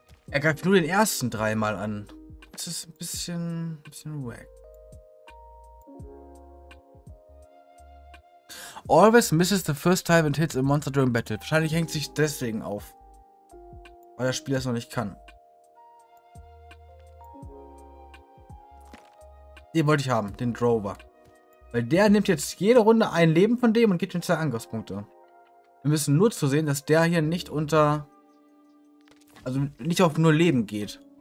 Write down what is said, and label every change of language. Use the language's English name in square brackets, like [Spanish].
[German] Er greift nur den ersten dreimal an. Das ist ein bisschen wack. [English] Always misses the first time and hits a monster during battle. [German] Wahrscheinlich hängt sich deswegen auf. Weil das Spiel das noch nicht kann. Den wollte ich haben, den Drover. Weil der nimmt jetzt jede Runde ein Leben von dem und gibt ihm 2 Angriffspunkte. Wir müssen nur zu sehen, dass der hier nicht unter. Also nicht auf nur Leben geht.